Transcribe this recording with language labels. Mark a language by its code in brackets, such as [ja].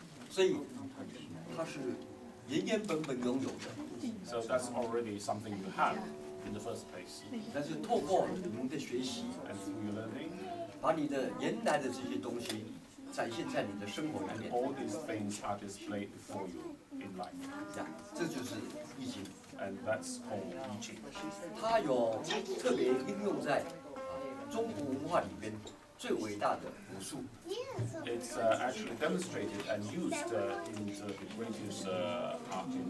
[zh] 所以它是原原本本拥有的。 [en] So that's already something you have in the first place. [zh] 但是透过您的学习 [en] ，and through your learning， [zh] 把你的原来的这些东西展现在你的生活里面。 [en] All these things are displayed before you in life. [zh] 这就是易经。 [en] And that's called 易经。 [zh] 它有特别应用在中国文化里边。最伟大的武术 [en] It's actually demonstrated and used in the greatest art in